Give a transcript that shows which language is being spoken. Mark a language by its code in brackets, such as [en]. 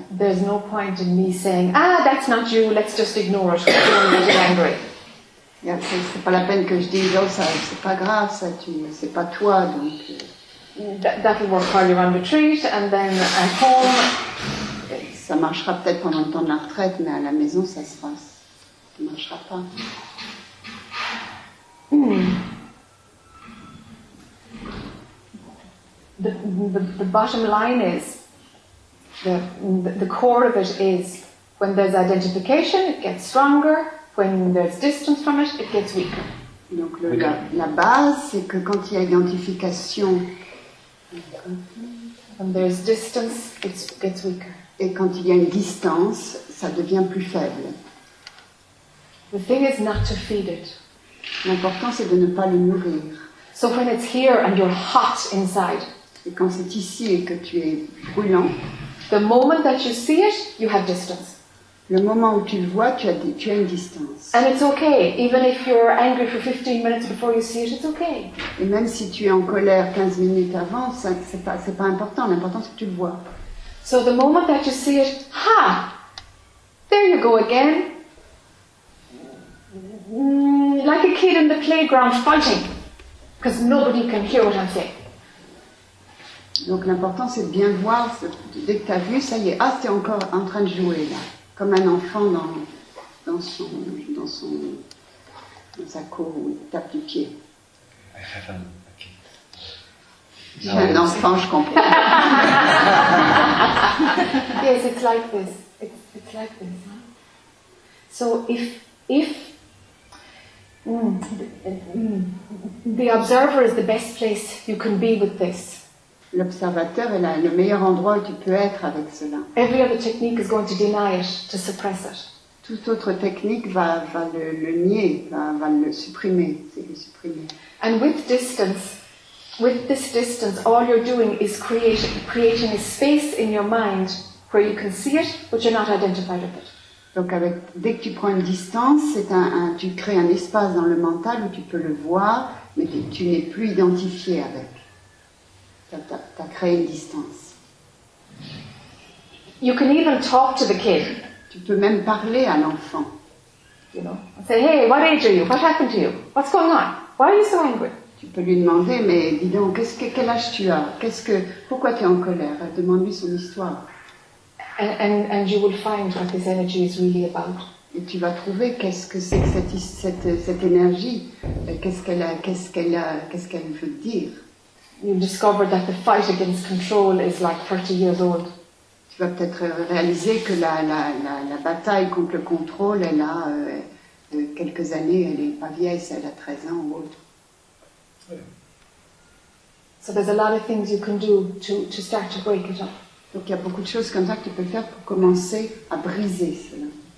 [en] There's no point in me saying, ah, that's not you, let's just ignore it, because you're going to get angry. [fr] Yeah, c'est pas la peine que je dise, oh, ça, c'est pas grave, ça, tu, c'est pas toi, donc... [en] That'll work while you're on retreat, and then at home... [fr] Ça marchera peut-être pendant le temps de la retraite, mais à la maison, ça se passe. Ça marchera pas. [en] The bottom line is... The core of it is when there's identification, it gets stronger. When there's distance from it, it gets weaker. [fr] Donc la base, c'est que quand il y a identification, [en] when there's distance, it gets weaker. [fr] Et quand il y a une distance, ça devient plus faible. [en] The thing is not to feed it. [fr] L'important, c'est de ne pas le nourrir. [en] So when it's here and you're hot inside. [fr] Et quand c'est ici et que tu es brûlant. [en] The moment that you see it, you have distance. [fr] Le moment où tu le vois, tu as une distance. [en] And it's okay, even if you're angry for 15 minutes before you see it, it's okay. [fr] Et même si tu es en colère 15 minutes avant, ça, c'est pas important. L'important c'est que tu le vois. [en] So the moment that you see it, ha, there you go again, like a kid in the playground fighting, because nobody can hear what I'm saying. [fr] Donc l'important c'est de bien voir, dès que tu as vu, ça y est, ah t'es encore en train de jouer là, comme un enfant dans sa cour où il tape du pied. [en] Okay. [fr] J'ai un enfant, je comprends. [en] Yes, it's like this. It's like this. So if the observer is the best place you can be with this. [fr] L'observateur est le meilleur endroit où tu peux être avec cela. [en] Every other technique is going to deny it, to suppress it. [fr] Toute autre technique va le nier, va le supprimer, c'est le supprimer. [en] And with this distance, all you're doing is creating a space in your mind where you can see it, but you're not identified with it. [fr] Donc dès que tu prends une distance, c'est tu crées un espace dans le mental où tu peux le voir, mais tu n'es plus identifié avec. T'as créé une distance. [en] You can even talk to the kid. [fr] Tu peux même parler à l'enfant. [en] You know, and say, hey, what age are you? What happened to you? What's going on? Why are you so angry? [fr] Tu peux lui demander, mais dis donc, quel âge tu as? Pourquoi tu es en colère? Demande-lui son histoire. [en] And you will find what this energy is really about. [fr] Et tu vas trouver qu'est-ce que c'est que cette énergie, qu'est-ce qu'elle veut dire. [en] You discover that the fight against control is like 30 years old. [fr] Tu vas peut-être réaliser que la bataille contre le contrôle, elle a quelques années, elle n'est pas vieille, c'est elle a 13 ans ou autre. [en] So there's a lot of things you can do to start to break it up. [fr] Donc il y a beaucoup de choses comme ça que tu peux faire pour commencer à briser cela.